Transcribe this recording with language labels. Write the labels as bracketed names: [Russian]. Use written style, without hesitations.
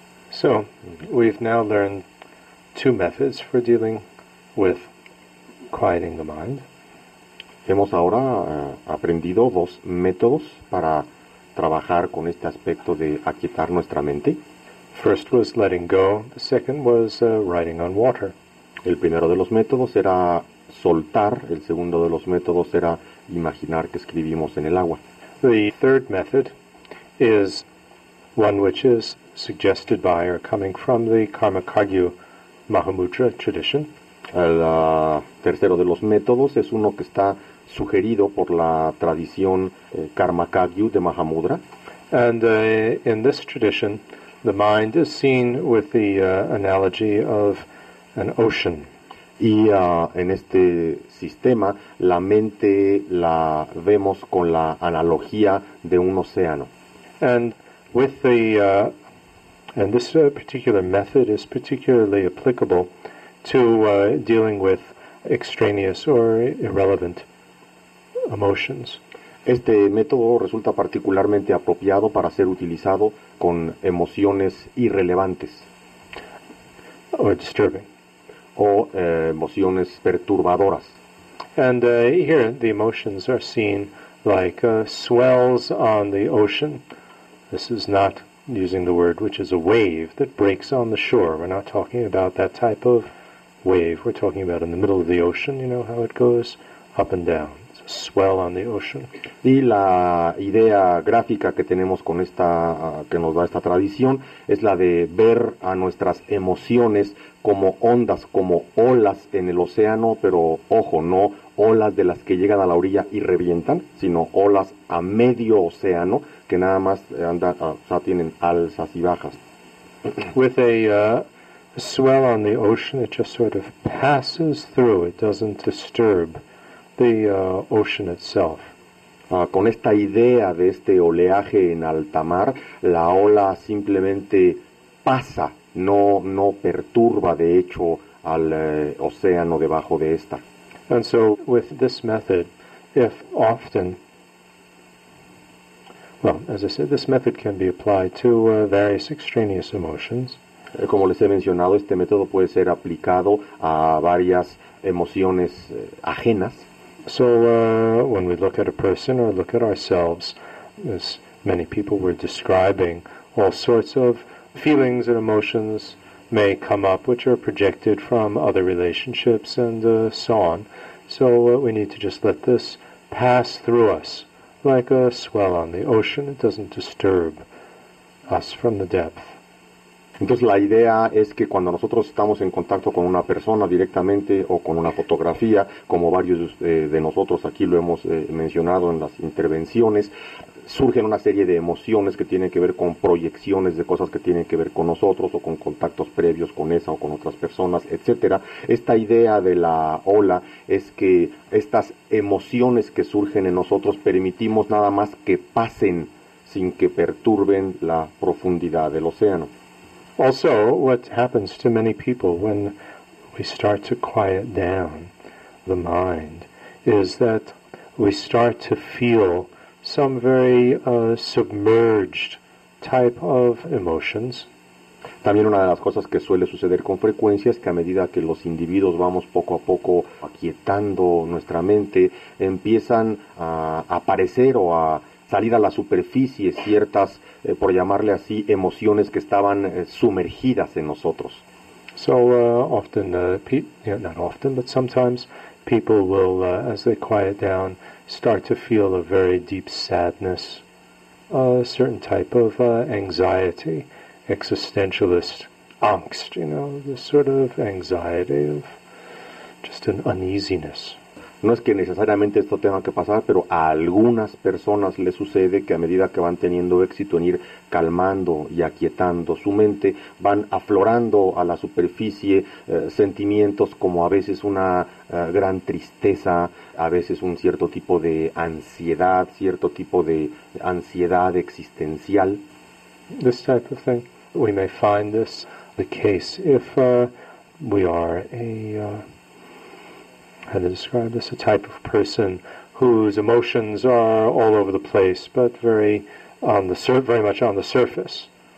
[English] So, we've now learned two methods for dealing with quieting the mind. [Spanish] Hemos ahora aprendido dos métodos para trabajar con este aspecto de aquietar nuestra mente. [English] First was letting go. The second was riding on water. [Spanish] El primero de los métodos era soltar. El segundo de los métodos era imaginar que escribimos en el agua. [English] The third method is one which is suggested by or coming from the Karma Kagyu Mahamudra tradition. [Spanish] El tercero de los métodos es uno que está sugerido por la tradición Karma Kagyu de Mahamudra. [English] And in this tradition, the mind is seen with the analogy of an ocean. [Spanish] Y en este sistema, la mente la vemos con la analogía de un océano. [English] And with the and this particular method is particularly applicable to dealing with extraneous or irrelevant emotions. [Spanish] Este método resulta particularmente apropiado para ser utilizado con emociones irrelevantes. [English] Or disturbing. [Spanish] O emociones perturbadoras. [English] And here the emotions are seen like swells on the ocean. This is not using the word, which is a wave that breaks on the shore. We're not talking about that type of wave. We're talking about in the middle of the ocean, you know, how it goes up and down. It's a swell on the ocean. [Spanish] Y la idea gráfica que tenemos con esta, que nos da esta tradición, es la de ver a nuestras emociones como ondas, como olas en el océano, pero ojo, no olas de las que llegan a la orilla y revientan, sino olas a medio océano, que nada más anda, o sea, tienen alzas y bajas. [English] With a swell on the ocean, it just sort of passes through, it doesn't disturb the ocean itself. [Spanish] Con esta idea de este oleaje en alta mar, la ola simplemente pasa, no perturba de hecho al océano debajo de esta. [English] And so with this method, if often, well, as I said, this method can be applied to various extraneous emotions. [Spanish] Como les he mencionado, este método puede ser aplicado a varias emociones ajenas. [English] So when we look at a person or look at ourselves, as many people were describing, all sorts of feelings and emotions may come up, which are projected from other relationships and so on. So we need to just let this pass through us like a swell on the ocean. It doesn't disturb us from the depth. [Spanish] Entonces la idea es que cuando nosotros estamos en contacto con una persona directamente o con una fotografía, como varios de nosotros aquí lo hemos mencionado en las intervenciones, surgen una serie de emociones que tienen que ver con proyecciones de cosas que tienen que ver con nosotros o con contactos previos con esa o con otras personas, etcétera. Esta idea de la ola es que estas emociones que surgen en nosotros permitimos nada más que pasen sin que perturben la profundidad del océano. [English] Also, what happens to many people when we start to quiet down the mind is that we start to feel some very submerged type of emotions. [Spanish] También una de las cosas que suele suceder con frecuencia es que a medida que los individuos vamos poco a poco aquietando nuestra mente, empiezan a aparecer o a salir a la superficie ciertas, por llamarle así, emociones que estaban sumergidas en nosotros. [English] So often, not often, but sometimes people will, as they quiet down, start to feel a very deep sadness, a certain type of anxiety, existentialist angst, you know, this sort of anxiety of just an uneasiness. [Spanish] No es que necesariamente esto tenga que pasar, pero a algunas personas les sucede que a medida que van teniendo éxito en ir calmando y aquietando su mente, van aflorando a la superficie sentimientos como a veces una gran tristeza, a veces un cierto tipo de ansiedad, cierto tipo de ansiedad existencial. [English] This type of thing, we may find this the case if we are how to describe this, a type of person whose emotions are all over the place, but very much on the surface.